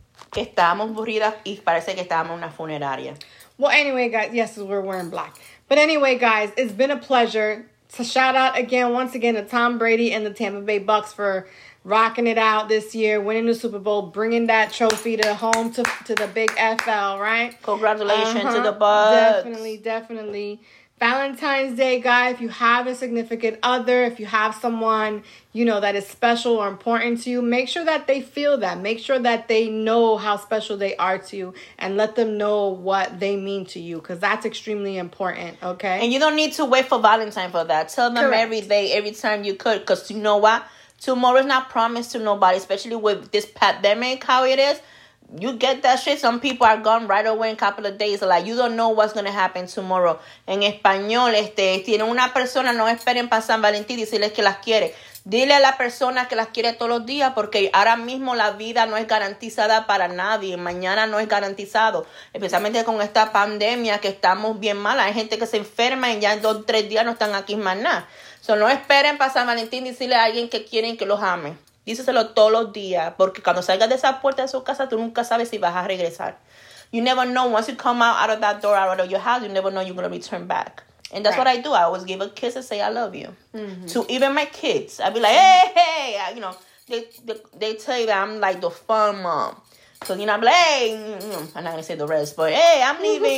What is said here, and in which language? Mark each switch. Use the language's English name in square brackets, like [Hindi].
[Spanish] Que estábamos aburridas y parece que estábamos en una funeraria. [English] Well, anyway, guys, yes, we're wearing black. But anyway, guys, it's been a pleasure. So shout out again, once again, to Tom Brady and the Tampa Bay Bucks for rocking it out this year, winning the Super Bowl, bringing that trophy to home to the big FL, right? Congratulations to the Bucks. Definitely. Valentine's Day, guys, if you have a significant other, if you have someone, you know, that is special or important to you, make sure that they feel that. Make sure that they know how special they are to you and let them know what they mean to you because that's extremely important, okay? And you don't need to wait for Valentine for that. Tell them Correct. Every day, every time you could because you know what? Tomorrow's not promised to nobody, especially with this pandemic, how it is. You get that shit. Some people are gone right away in a couple of days. Like, you don't know what's going to happen tomorrow. [Spanish] En español, tiene una persona, no esperen para San Valentín y decirles que las quiere. Dile a la persona que las quiere todos los días porque ahora mismo la vida no es garantizada para nadie. Mañana no es garantizado. Especialmente con esta pandemia que estamos bien mal. Hay gente que se enferma y ya en 2 o 3 días no están aquí más nada. So, no esperen para San Valentín y decirle a alguien que quieren que los ame. Díselo todos los días, porque cuando salgas de esa puerta de su casa, tú nunca sabes si vas a regresar. [English] You never know. Once you come out of that door, out of your house, you never know you're going to return back. And that's right. What I do. I always give a kiss and say, I love you. Mm-hmm. To even my kids. I'd be like, hey, you know, they tell you that I'm like the fun mom. So then I'm like, hey, I'm not gonna say the rest, but hey, I'm leaving.